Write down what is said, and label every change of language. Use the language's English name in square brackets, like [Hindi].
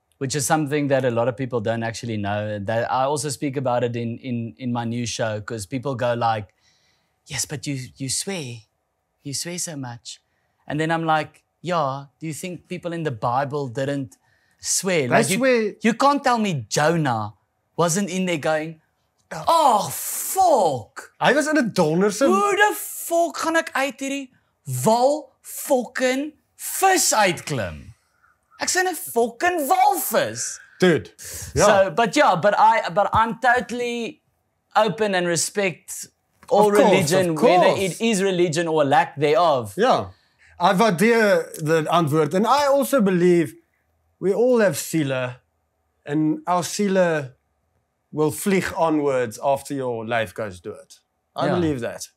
[English] Which is something that a lot of people don't actually know. That I also speak about it in my new show because people go like, yes, but you swear so much. And then I'm like, yeah, do you think people in the Bible didn't swear? You can't tell me Jonah wasn't in there going, oh, fuck. I was in a donorse. Who the fuck [Afrikaans] gaan ek uit hierdie wal fucking vis uitklim? Ek sien 'n fucking walvis. Dude. Ja. [English] But I'm totally open and respect all religion, whether it is religion or lack thereof. [Afrikaans] Ja. I waardeer the antwoord. [English] And I also believe we all have siele. And our siele will vlieg onwards after your life goes dood. I believe that.